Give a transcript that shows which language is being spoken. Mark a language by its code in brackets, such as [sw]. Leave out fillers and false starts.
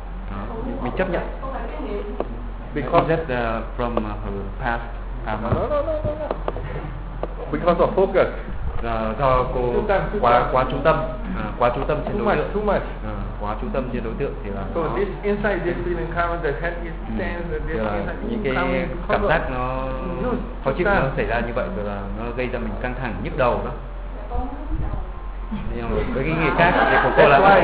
[vi] Đó, mình chấp nhận. [en] Because that from her past karma. No. Because of focus. [vi] Do cô quá trung tâm, quá trung tâm trên đối tượng. [en] Too much. [vi] Quá trung tâm trên đối tượng thì là. [en] So this inside this feeling karma, the head is tense. [vi] Những cái cảm giác nó khó chịu nó xảy ra như vậy rồi là nó gây ra mình căng thẳng, nhức đầu đó. Với cái người khác thì của cô là.